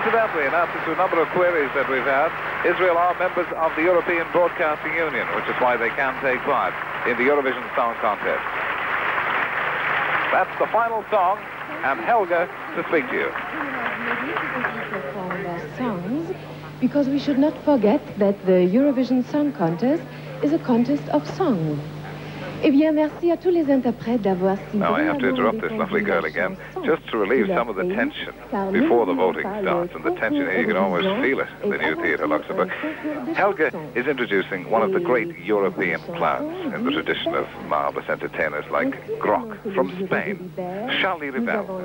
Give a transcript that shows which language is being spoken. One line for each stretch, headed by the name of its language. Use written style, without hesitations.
English: Queries that we've had. Israel are members of the European Broadcasting Union, which is why they can take part in the Eurovision Song Contest. That's the final song, and Helga to speak to you. Because we should not forget that the Eurovision Song Contest is a contest of song.
French: Eh bien, merci à tous les interprètes d'avoir signé.
English: Now I have to interrupt this lovely girl again, just to relieve some of the tension before the voting starts. And the tension here, you can almost feel it in the new theatre, Luxembourg. Helga is introducing one of the great European clowns in the tradition of marvelous entertainers like Grock from Spain, Charlie Rivel.